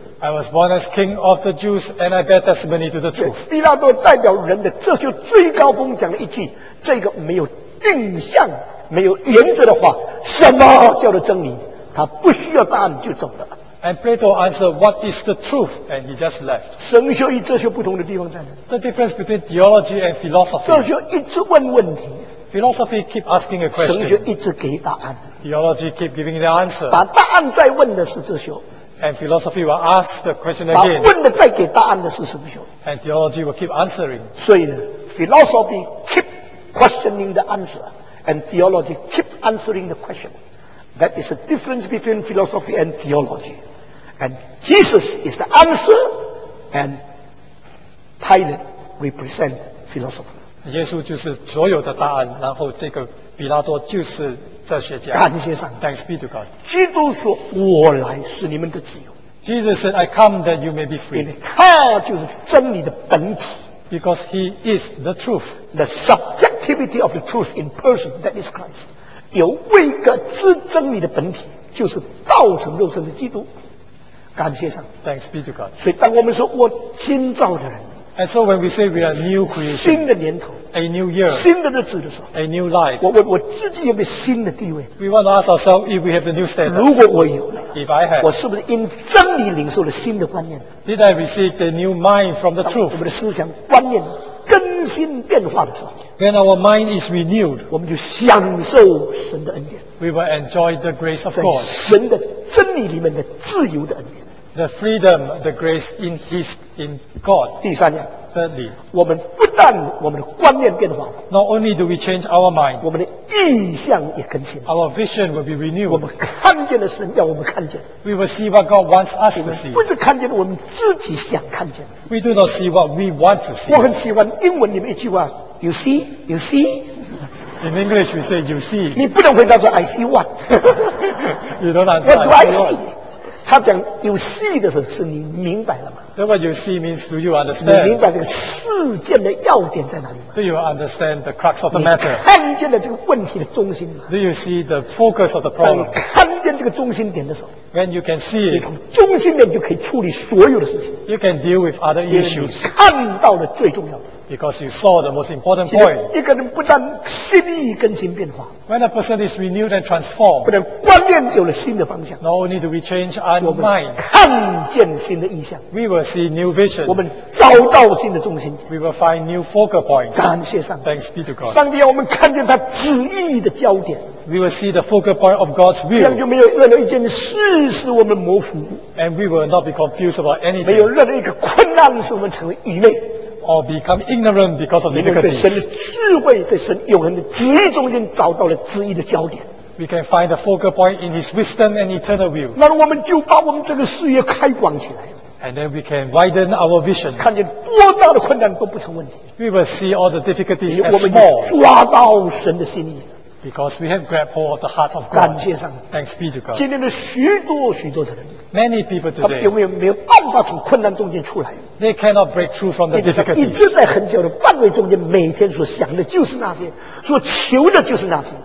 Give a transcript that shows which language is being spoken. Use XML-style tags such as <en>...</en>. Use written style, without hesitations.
<en>I was born as king of the Jews and I bear testimony to the truth.</en> <zh>比拉多代表人的这就最高峰讲了一句，这个没有定向、没有原则的话，什么叫做真理？他不需要答案就走了。</zh> <en>And Plato answered, "What is the truth?" And he just left.</en> <zh>神学与哲学不同的地方在哪？</zh> <en>The difference between theology and philosophy.</en> <zh>哲学一直问问题。</zh> <en>Philosophy keep asking a question.</en> <zh>神学一直给答案。</zh> <en>Theology keep giving the answer.</en> <zh>把答案再问的是哲学。</zh> <en>And philosophy will ask the question again.</en> <zh>把问的再给答案的是神学。</zh> <en>And theology will keep answering.</en> <zh>所以呢</zh> <en>，philosophy keep questioning the answer, and theology keep answering the question. That is the difference between philosophy and theology. And Jesus is the answer, and Pilate represents philosophy.</en> <zh>耶稣就是所有的答案，然后这个比拉多就是哲学家。感谢上帝。</zh> <en>Thanks be to God.</en> <zh>基督说：“我来使你们得自由。”</zh> <en>Jesus said, "I come that you may be free."</en> <zh>因为他就是真理的本体。</zh> <en>Because he is the truth, the subjectivity of the truth in person, that is Christ.</en> <zh>有位格之真理的本体，就是道成肉身的基督。感谢上帝。</zh> <en>Thanks be to God.</en> <zh>所以当我们说我新造的人</zh> <en>，And so when we say we are new creation,</en> <zh>新的年头</zh> <en>，A new year,</en> <zh>新的日子的时候</zh> <en>，A new life,</en> <zh>我自己有没有新的地位</zh> <en>？We want to ask ourselves if we have the new status.</en> <zh>如果我有</zh> <en>，If I have,</en> <zh>我是不是因真理领受了新的观念</zh> <en>？Did I receive the new mind from the truth?</en> <zh>我们的思想观念更新变化的时候</zh> <en>，Then our mind is renewed.</en> <zh>我们就享受神的恩典。</zh> <en>We will enjoy the grace of God.</en> <zh>在神的真理里面的自由的恩典。</zh> <en>The freedom, the grace in His, in God.</en> <zh>第三样</zh> <en>，Thirdly,</en> <zh>我们不但我们的观念变化</zh> <en>，Not only do we change our mind,</en> <zh>我们的意向也更新</zh> <en>，Our vision will be renewed.</en> <zh>我们看见了神要我们看见</zh> <en>，We will see what God wants us to see.</en> <zh>不是看见我们自己想看见</zh> <en>，We do not see what we want to see.</en> <zh>我很喜欢英文里面一句话 ，</zh> <en>You see, you see. In English, we say you see.</en> <zh>你不能回答说</zh> <en>I see what. You don't answer. What do I see?</en> <zh>他讲</zh> <en>you see</en> <zh>的时候，是你明白了吗？</zh> <en>Then what you see means do you understand?</en> <zh>你明白这个事件的要点在哪里吗？</zh> <en>Do you understand the crux of the matter?</en> <zh>你看见了这个问题的中心吗？</zh> <en>Do you see the focus of the problem?</en> <zh>当你看见这个中心点的时候，</zh> <en>When you can see it,</en> <zh>你从中心点就可以处理所有的事情。</zh> <en>You can deal with other issues.</en> <zh>你看到了最重要的。</zh> <en>Because you saw the most important point.</en> <zh>一个人不但心意更新变化</zh> <en>，When a person is renewed and transformed,</en> <zh>不但观念有了新的方向</zh> <en>，Not only do we change our mind,</en> <zh>看见新的意象</zh> <en>，We will see new vision.</en> <zh>我们找到新的重心</zh> <en>，We will find new focal points.</en> <zh>感谢上帝</zh> <en>，Thanks be to God.</en> <zh>上帝，我们看见他旨意的焦点。</zh> <en>We will see the focal point of God's will.</en> <zh>这样就没有任何一件事使我们模糊。</zh> <en>And we will not be confused about anything.</en> <zh>没有任何一个困难使我们成为愚昧。</zh> <en>Or become ignorant because of difficulties.</en> <zh>因为在神的智慧，在神永恒的旨意中间找到了旨意的焦点。</zh> <en>We can find the focal point in His wisdom and eternal will.</en> <zh>那我们就把我们这个视野开广起来。</zh> <en>And then we can widen our vision.</en> <zh>看见多大的困难都不成问题。</zh> <en>We will see all the difficulties as small.</en> <zh>我们就抓到神的心意。</zh> <en>Because we have grabbed hold of the heart of God.</en> <zh>感谢上帝。</zh> <en>Thanks be to God.</en> <zh>今天的许多许多的人。</zh> <en>Many people today.</en> <zh>他们有没有没有办法从困难中间出来？</zh> <en>They cannot break through from the difficulties.</en> <zh>一直在很久的范围中间，每天所想的就是那些，所求的就是那些。</zh>